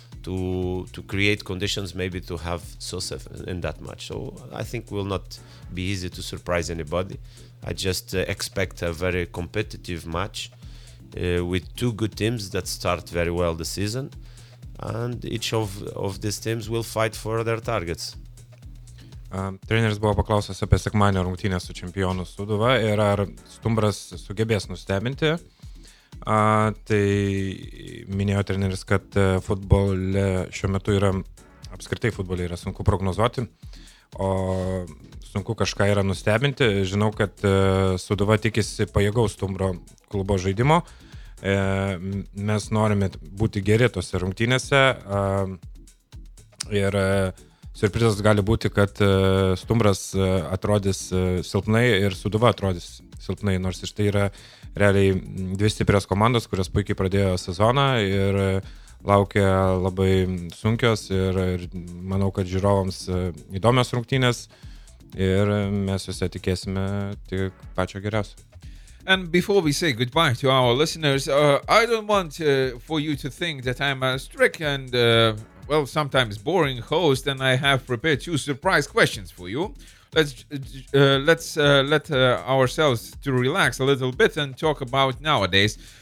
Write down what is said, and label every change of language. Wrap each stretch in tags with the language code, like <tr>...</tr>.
<en>to create conditions maybe to have Sosa in that match. So I think will not be easy to surprise anybody. I just expect a very competitive match with two good teams that start very well the season, and each of these teams will fight for their targets.</en> <lt>Treneris buvo paklausęs apie sekmadienio rungtynę su čempionu Sūduva ir ar Stumbras sugebės nustebinti. Tai minėjo treneris, kad futbole šiuo metu yra, apskritai futbole yra sunku prognozuoti, o sunku kažką yra nustebinti. Žinau, kad Sūduva tikisi pajėgaus Stumbro klubo žaidimo. Mes norime būti geri tose rungtynėse ir surprizas gali būti, kad Stumbras atrodys silpnai ir Sūduva atrodys silpnai, nors iš tai yra realiai dvi stiprios komandos, kurios puikiai pradėjo sezoną ir laukia labai sunkios ir manau, kad žiūrovams įdomios rungtynės ir mes visą tikėsime tik pačio geriausio.</lt> <en>And before we say goodbye to our listeners, I don't want for you to think that I'm a strict and, well, sometimes boring host, and I have prepared two surprise questions for you. Let's ourselves to relax a little bit and talk about nowadays.</en>